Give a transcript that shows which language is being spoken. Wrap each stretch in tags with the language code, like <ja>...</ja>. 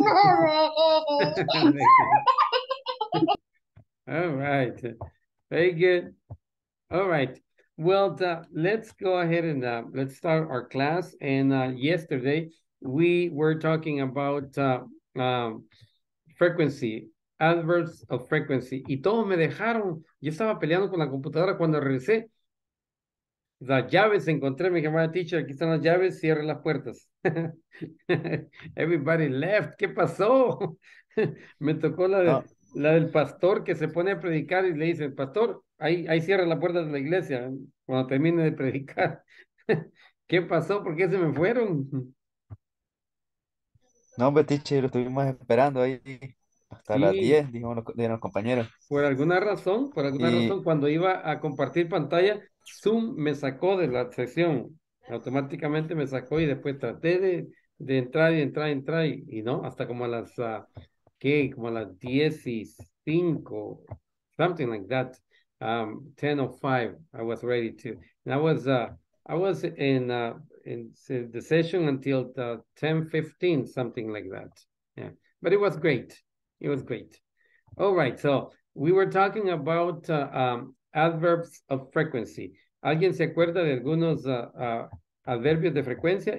<en>All right. Very good. All right. Well, let's go ahead and let's start our class. And yesterday, we were talking about frequency, adverbs of frequency.</en> <es>Y todos me dejaron. Yo estaba peleando con la computadora cuando regresé. Las llaves encontré. Me llamó la teacher. Aquí están las llaves. Cierren las puertas.</es> <en>Everybody left.</en> <es>¿Qué pasó? Me tocó la de... No. La del pastor que se pone a predicar y le dice, pastor, ahí cierra la puerta de la iglesia cuando termine de predicar. ¿Qué pasó? ¿Por qué se me fueron? No, hombre, teacher, lo estuvimos esperando ahí hasta sí. Las 10, dijeron los compañeros. Por alguna razón, cuando iba a compartir pantalla, Zoom me sacó de la sesión. Automáticamente me sacó y después traté de entrar y no, hasta como a las... ¿Qué? Como a las 15,</es> <en>something like that, 10:05, I was ready to, and I was in the session until the 10:15, something like that, yeah, but it was great, all right, so we were talking about adverbs of frequency.</en> <es>¿Alguien se acuerda de algunos adverbios de frecuencia?</es>